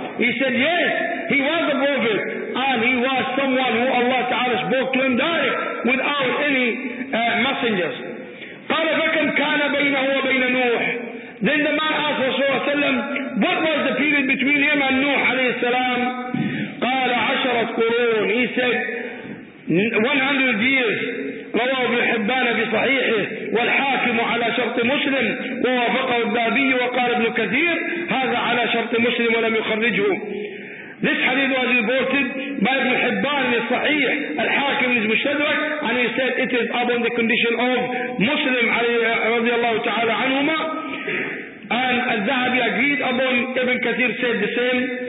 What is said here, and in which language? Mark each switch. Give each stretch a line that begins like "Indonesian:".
English: He said yes, he was a prophet and he was someone who Allah تعالى spoke to him direct without any messengers.
Arabic: قال فكم كان بينه وبين نوح.
English: Then the man asked Rasulullah صلى الله عليه وسلم, what was the period between him and Nuh عليه السلام?
Arabic: قال عشرة قرون.
English: He said 100 years.
Arabic: رواه ابن حبان في صحيحه والحاكم على شرط مسلم ووافقه الذهبي وقال ابن كثير هذا على شرط مسلم ولم يخرجه.
English: This hadith was reported by ابن حبان الصحيح الحاكم المستدرك, and he said it is upon the condition of مسلم رضي الله تعالى عنهما. And الذهبي agreed upon, ابن كثير said the same.